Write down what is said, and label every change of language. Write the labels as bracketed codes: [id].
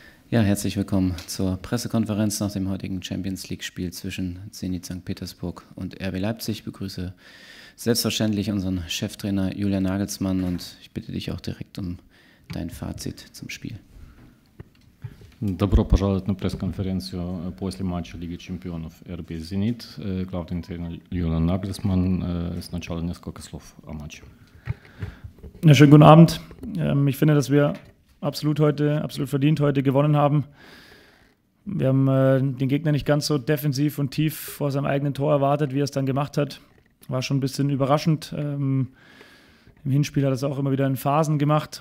[de] Ja, herzlich willkommen zur Pressekonferenz nach dem heutigen Champions League-Spiel zwischen Zenit St. Petersburg und RB Leipzig. Ich begrüße selbstverständlich unseren Cheftrainer Julian Nagelsmann und ich bitte dich auch direkt um dein Fazit zum Spiel. [ru] Добро пожаловать на пресс-конференцию после матча Лиги чемпионов RB Zenit. Главный тренер Юлиан Нагельсман. Сначала несколько слов о матче. [de] Ja, schönen guten Abend. Ich finde, dass wir absolut verdient heute gewonnen haben. Wir haben den Gegner nicht ganz so defensiv und tief vor seinem eigenen Tor erwartet, wie er es dann gemacht hat. War schon ein bisschen überraschend. Im Hinspiel hat er es auch immer wieder in Phasen gemacht.